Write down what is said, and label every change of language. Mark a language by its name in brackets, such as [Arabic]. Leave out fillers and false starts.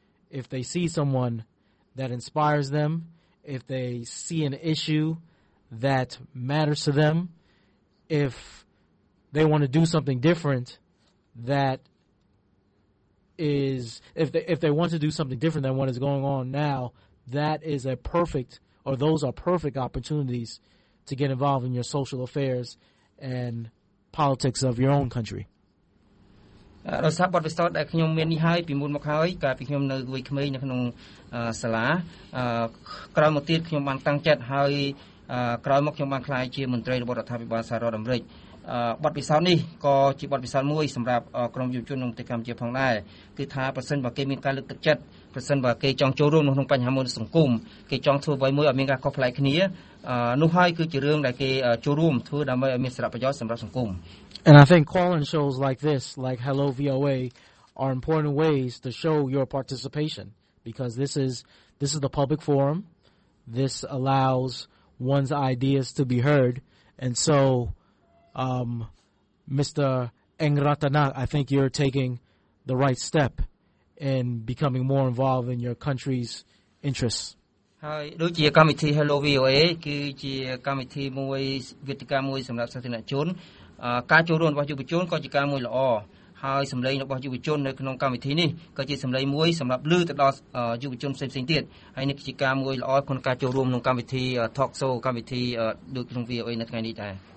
[English] If they see someone that inspires them, if they see an issue that matters to them, if they want to do something different that is, if they want to do something different than what is going on now, that is a perfect, or those are perfect opportunities to get involved in your social affairs. And politics of your own country. [Khmer] រសាបទវិសោធន៍ដែលខ្ញុំមាននេះហើយពីមុនមកហើយកាលពីខ្ញុំនៅវ័យក្មេងនៅក្នុងសាលាក្រោយមកទៀតខ្ញុំបានតាំងចិត្តហើយក្រោយមកខ្ញុំបានក្លាយជាមន្ត្រីរបស់រដ្ឋាភិបាលសហរដ្ឋអាមេរិកបទពិសោធន៍នេះក៏ជាបទពិសោធន៍មួយសម្រាប់ក្រុមយុវជនក្នុងប្រទេសកម្ពុជាផងដែរគឺថាប្រសិនបើគេមានការលើកទឹកចិត្តប្រសិនបើគេចង់ចូលរួមក្នុងបញ្ហាមួយសង្គមគេចង់ធ្វើអ្វីមួយឲ្យមានការកុសផ្លែគ្នានោះហើយគឺជារឿងដែលគេចូលរួមធ្វើដើម្បីឲ្យមានសារៈប្រយោជន៍សម្រាប់សង្គម [English] And I think calling shows like this, like Hello VOA, are important ways to show your participation because this is the public forum. This allows one's ideas to be heard. And so, Mr. Engratanak, I think you're taking the right step in becoming more involved in your country's interests. [Khmer] ហើយដូចជាកម្មវិធី Hello VOA គឺជាកម្មវិធីមួយវេទិកាមួយសម្រាប់សាធារណជនការចូលរួមរបស់យុវជនក៏ជាការមួយល្អហើយសម្លេងរបស់យុវជននៅក្នុងកម្មវិធីនេះក៏ជាសម្លេងមួយសម្រាប់ឮទៅដល់យុវជនផ្សេងៗទៀតហើយនេះគឺជាការមួយល្អក្នុងការចូលរួមក្នុងកម្មវិធី Talk Show កម្មវិធីដូចក្នុង VOA នៅថ្ងៃនេះដែរ